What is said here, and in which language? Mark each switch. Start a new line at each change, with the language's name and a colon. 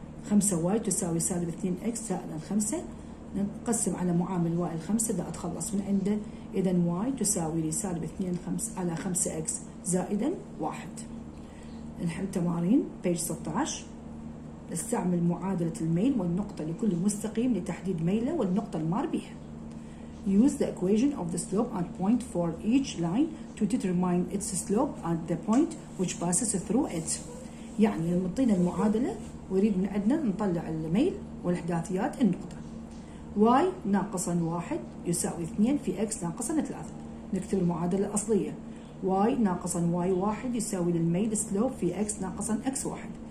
Arabic: 10، 5y تساوي سالب 2x زائد 5، نقسم على معامل y الخمسة دا أتخلص من عنده، إذا y تساوي لي سالب 2 5 على 5x زائدا 1. نحل التمارين
English: page 16.
Arabic: نستعمل معادلة الميل والنقطة لكل مستقيم لتحديد ميله والنقطة المار بها.
English: Use the equation of the slope and point for each line to determine its slope at the point which passes through it.
Arabic: يعني نعطينا المعادلة ويريد من عندنا نطلع الميل والإحداثيات النقطة. y ناقصا 1 يساوي 2 في x ناقصا 3. نكتب المعادلة الأصلية. y ناقصا y1 يساوي للميل سلوب في x ناقصا x1.